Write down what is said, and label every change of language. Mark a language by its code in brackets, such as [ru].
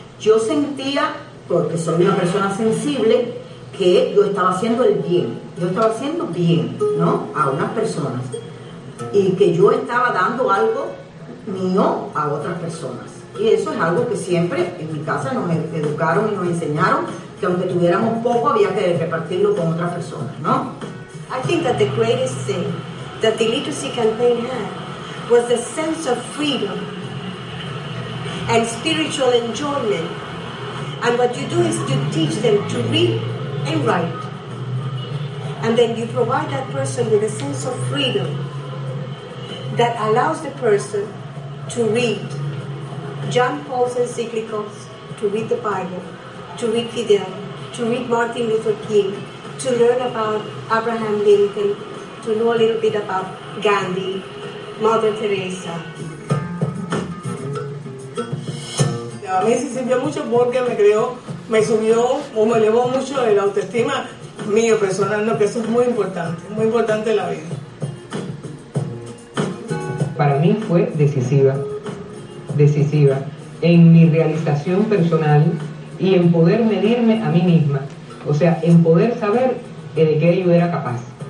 [es] Yo sentía, porque soy una persona sensible, que yo estaba haciendo el bien, yo estaba haciendo bien, ¿no?, a unas personas, y que yo estaba dando algo mío a otras personas. Y eso es algo que siempre en mi casa nos educaron y nos enseñaron, que aunque tuviéramos poco, había que repartirlo con otras personas, ¿no? [en] I think that the greatest thing that the literacy campaign had was the sense of freedom and spiritual enjoyment. And what you do is you teach them to read and write. And then you provide that person with a sense of freedom that allows the person to read John Paul's encyclicals, to read the Bible, to read Fidel, to read Martin Luther King, to learn about Abraham Lincoln, to know a little bit about Gandhi, Mother Teresa. [es] A mí se sintió mucho porque me creó, me subió o me elevó mucho la autoestima mío personal, ¿no? Que eso es muy importante en la vida. Para mí fue decisiva, decisiva en mi realización personal y en poder medirme a mí misma, o sea, en poder saber de qué yo era capaz.